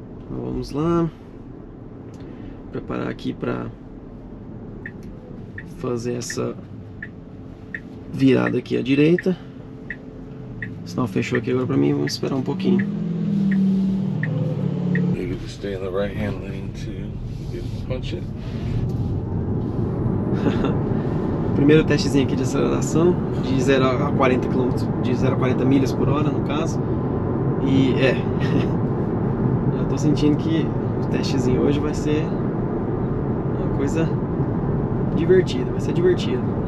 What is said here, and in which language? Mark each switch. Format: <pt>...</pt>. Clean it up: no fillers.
<pt>Vamos lá. Preparar aqui para fazer essa virada aqui à direita. Sinal fechou aqui agora pra mim, vamos esperar um pouquinho.</pt> <en>Maybe to stay in the right hand lane to punch it.</en> <pt>Primeiro testezinho aqui de aceleração, de 0 a 40 km, de 0 a 40 milhas por hora, no caso. E é, já tô sentindo que o testezinho hoje vai ser uma coisa divertida, vai ser divertido.</pt>